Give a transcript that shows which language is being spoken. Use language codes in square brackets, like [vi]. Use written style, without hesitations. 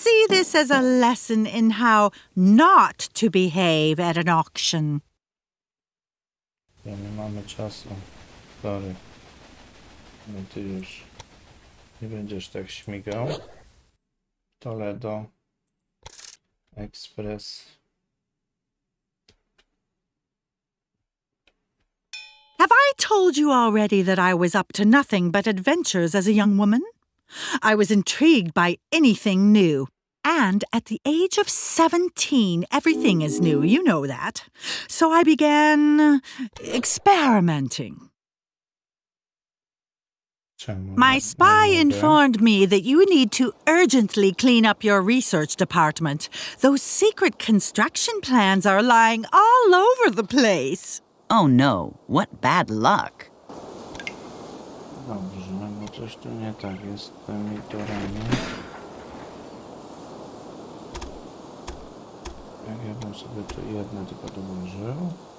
[en] this as a lesson in how not to behave at an auction. [pl] Ja nie mamy czasu. Sorry. No ty już nie będziesz tak śmigał. Toledo Express. [en] Have I told you already that I was up to nothing but adventures as a young woman? I was intrigued by anything new. And at the age of 17, everything is new, you know that. So I began experimenting. My spy informed me that you need to urgently clean up your research department. Those secret construction plans are lying all over the place. Oh no, what bad luck. [pl] Dobrze, no bo coś tu nie tak jest z tymi torami. Jak ja bym sobie tu jedno tylko dołożył.